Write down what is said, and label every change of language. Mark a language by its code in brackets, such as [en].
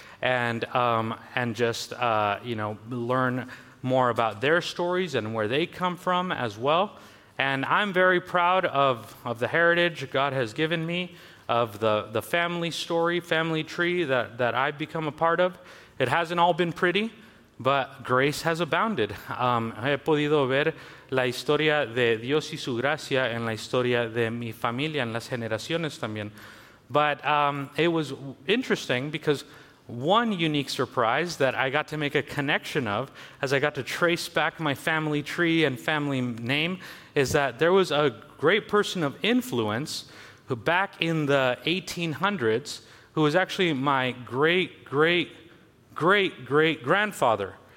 [en] And learn more about their stories and where they come from as well. And I'm very proud of the heritage God has given me, of the family story, family tree that I've become a part of. It hasn't all been pretty, but grace has abounded. [es] He podido ver la historia de Dios y su gracia en la historia de mi familia en las generaciones también. [en] But it was interesting because one unique surprise that I got to make a connection of as I got to trace back my family tree and family name is that there was a great person of influence who back in the 1800s who was actually my great-great-great-great-grandfather.